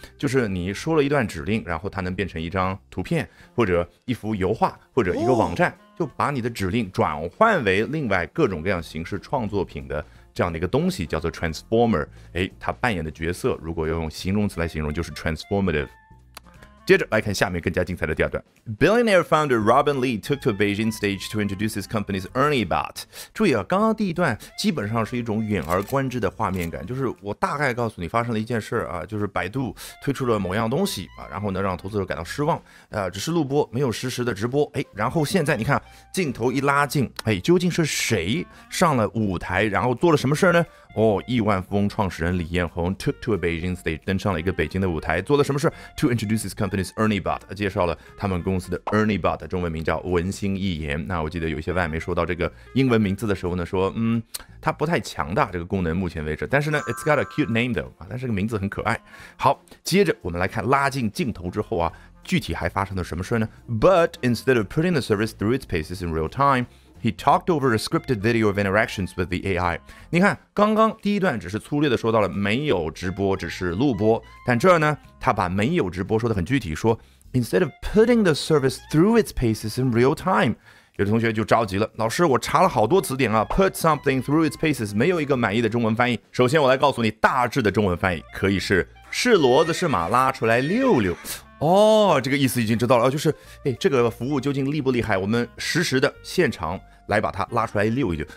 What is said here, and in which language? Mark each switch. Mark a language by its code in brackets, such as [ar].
[zh] 就是你说了一段指令，然后它能变成一张图片或者一幅油画或者一个网站，就把你的指令转换为另外各种各样形式创作品的这样的一个东西，叫做 transformer。哎，它扮演的角色如果要用形容词来形容就是 transformative。接着来看下面更加精彩的第二段。 [en] Billionaire founder Robin Li took to Beijing stage to introduce his company's Ernie Bot。 [zh] 注意啊，刚刚第一段基本上是一种远而观之的画面感，就是我大概告诉你发生了一件事啊，就是百度推出了某样东西啊，然后呢让投资者感到失望，只是录播没有实时的直播。哎，然后现在你看镜头一拉近，哎，究竟是谁上了舞台，然后做了什么事呢？哦，亿万富翁创始人李彦宏 [en] took to a Beijing stage， [zh] 登上了一个北京的舞台，做了什么事？ [en] To introduce his company's Ernie Bot， [zh] 介绍了他们公司的 Ernie Bot， 中文名叫文心一言。那我记得有一些外媒说到这个英文名字的时候呢，说它不太强大这个功能目前为止，但是呢 [en] it's got a cute name though， [zh] 但是这个名字很可爱。好，接着我们来看拉近镜头之后啊，具体还发生了什么事呢？ [en] But instead of putting the service through its paces in real timeHe talked over a scripted video of interactions with the AI. [zh] 你看，刚刚第一段只是粗略的说到了没有直播，只是录播。但这呢，他把没有直播说得很具体，说 [en] instead of putting the service through its paces in real time. [zh] 有的同学就着急了，老师，我查了好多词典啊 ， [en] put something through its paces [zh] 没有一个满意的中文翻译。首先，我来告诉你，大致的中文翻译可以是是骡子是马拉出来溜溜。哦，这个意思已经知道了，就是，哎，这个服务究竟厉不厉害，我们实时的现场来把它拉出来溜一溜。